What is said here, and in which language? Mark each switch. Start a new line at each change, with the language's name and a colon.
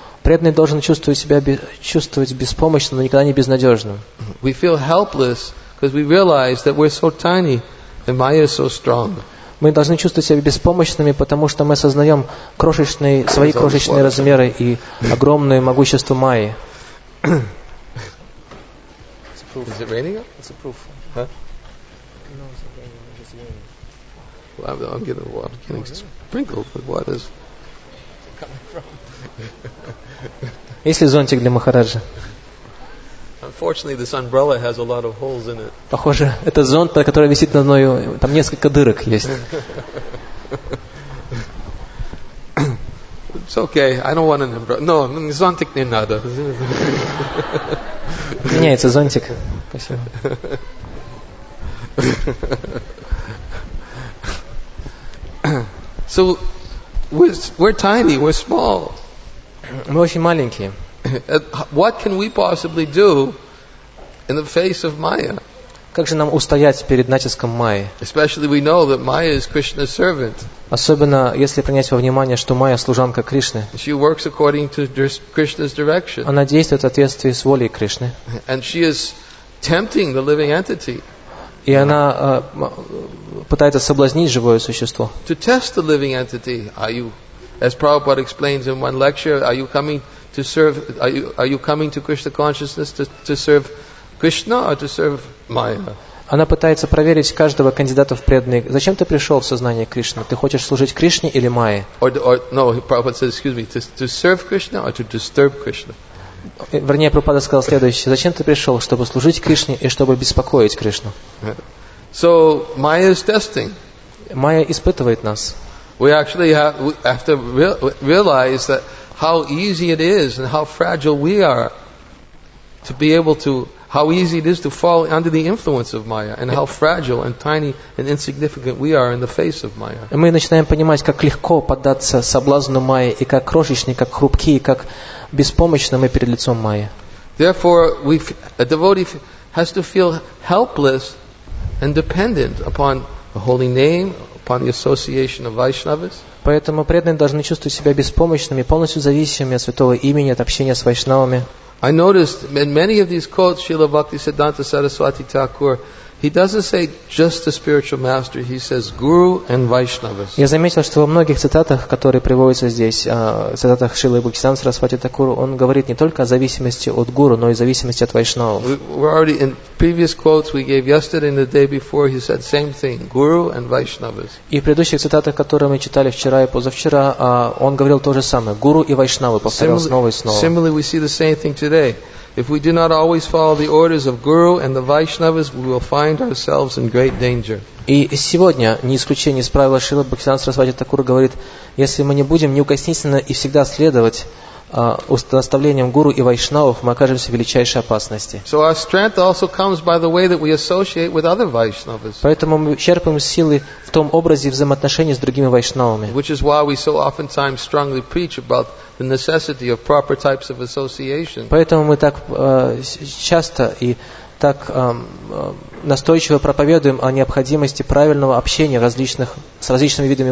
Russian: Преданный должен чувствовать себя чувствовать беспомощным, но никогда не безнадежным.
English: We feel helpless because we realize that we're so tiny and Maya is so strong.
Russian: Мы должны чувствовать себя беспомощными, потому что мы осознаем крошечные, свои крошечные размеры и огромное могущество Майи.
English: Is it raining? It's a proof. Huh? No, it's raining. Well, I'm getting water. I'm getting sprinkled with water. Where is it coming from?
Russian: Есть ли зонтик для Махараджи?
English: Unfortunately, this umbrella has a lot of holes in it.
Russian: Похоже, это зонт, который висит на мною, там несколько дырок есть.
English: It's okay. I don't want an umbrella.
Russian: No, зонтик не надо. Меняется зонтик. Спасибо.
English: So we're tiny, we're small.
Russian: Мы очень маленькие.
English: What can we possibly do in the face of Maya?
Russian: Как же нам устоять перед натиском Майи?
English: Especially we know that Maya is Krishna's servant.
Russian: Особенно если принять во внимание, что Майя служанка Кришны.
English: She works according to Krishna's direction.
Russian: Она действует в соответствии с волей Кришны.
English: And she is tempting the living entity.
Russian: И она пытается соблазнить живое существо.
English: To test the living entity, are you, as Prabhupada explains in one lecture, are you coming to serve? Are you coming to Krishna consciousness to serve Krishna or to serve Maya?
Russian: Она пытается проверить каждого кандидата в преданные. Зачем ты пришел в сознание Кришны? Ты хочешь служить Кришне или Майе?
English: No, Prabhupada says, excuse me, to serve Krishna or to disturb Krishna?
Russian: Вернее, Прабхупада сказал следующее. Зачем ты пришел, чтобы служить Кришне и чтобы беспокоить Кришну?
English: So, Maya is testing.
Russian: Майя испытывает нас.
English: We actually have to realize that how easy it is and how fragile we are to be able to how easy it is to fall under the influence of Maya and how fragile and tiny and insignificant we are in the face of Maya.
Russian: И мы начинаем понимать, как легко поддаться соблазну Майи и как крошечные, как хрупкие, как беспомощны мы перед лицом Майи.
English: Therefore, a devotee has to feel helpless and dependent upon the holy name, upon the association of Vaishnavas.
Russian: Поэтому преданные должны чувствовать себя беспомощными, полностью зависимыми от святого имени, от общения с вайшнавами.
English: I noticed in many of these quotes, Srila Bhaktisiddhanta Saraswati Thakur, he doesn't say just the spiritual master, he says guru and Vaishnavas.
Russian: Я заметил, что во многих цитатах, которые приводятся здесь, цитатах Шрилы Бхактисиддханты Сарасвати Такур, он говорит не только о зависимости от гуру, но и зависимости от вайшнавов.
English: We already in previous quotes we gave yesterday and the day before, he said same thing, guru and Vaishnavas.
Russian: И в предыдущих цитатах, которые мы читали вчера и позавчера, он говорил то же самое, гуру и вайшнавы, повторял снова и снова.
English: Similarly, we see the same thing today. If we do not always follow the orders of Guru and the Vaishnavas, we will find ourselves in great danger.
Russian: И сегодня, не исключение из правила Шрилы Бхактисиддханты Сарасвати Такур говорит, если мы не будем неукоснительно и всегда следовать наставлениям Гуру и Вайшнавов, мы окажемся в величайшей опасности.
English: So our strength also comes by the way that we associate with other Vaishnavas.
Russian: Поэтому мы черпаем силы в том образе взаимоотношений с другими Вайшнавами.
English: Which is why we so oftentimes strongly preach about the necessity of proper types of association.
Russian: Поэтому мы так часто и так настойчиво проповедуем о необходимости правильного общения различных, с различными видами